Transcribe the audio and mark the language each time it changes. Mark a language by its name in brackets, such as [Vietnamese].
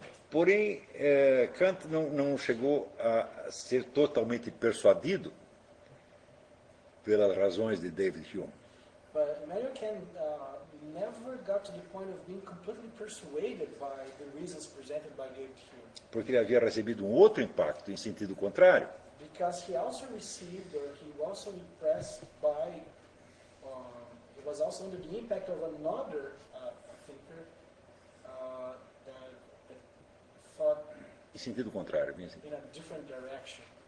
[Portuguese] Porém, Kant não chegou a ser totalmente persuadido pelas razões de David Hume. [English] But Immanuel Kant never got to the point of being completely persuaded by the reasons presented by David Hume. [Portuguese] Porque ele havia recebido um outro impacto em sentido contrário. [English] Because he also received, or he was also impressed by, he was also under the impact of another thinker that thought [Portuguese] em sentido contrário, [English] in a different direction.